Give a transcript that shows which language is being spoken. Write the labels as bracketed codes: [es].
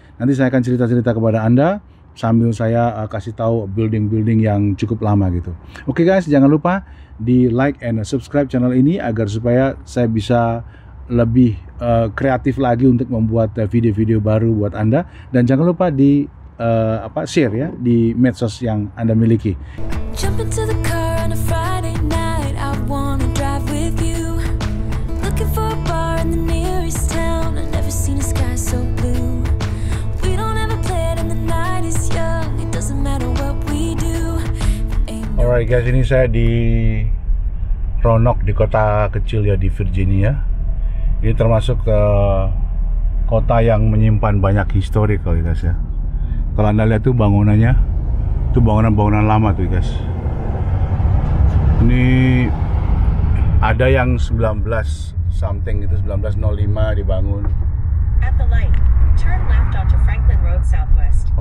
[id] Nanti saya akan cerita-cerita kepada Anda sambil saya kasih tahu building-building yang cukup lama gitu. Oke guys, jangan lupa di [en] like and subscribe [id] channel ini agar supaya saya bisa lebih kreatif lagi untuk membuat video-video baru buat Anda. Dan jangan lupa di share ya di medsos yang Anda miliki. [en] Jump into the car on a Friday night, I wanna drive with you. Looking for a bar in the nearest town, I've never seen a sky so blue. We don't ever play it and the night is young, it doesn't matter what we do. [id] Alright guys, ini saya di Ronok, di kota kecil ya di Virginia. Ini termasuk kota yang menyimpan banyak histori kalau guys ya. Kalau Anda lihat tuh bangunannya, itu bangunan-bangunan lama tuh guys. Ini ada yang 19 something gitu, 1905 dibangun. [en] At the light, turn left onto Franklin Road Southwest.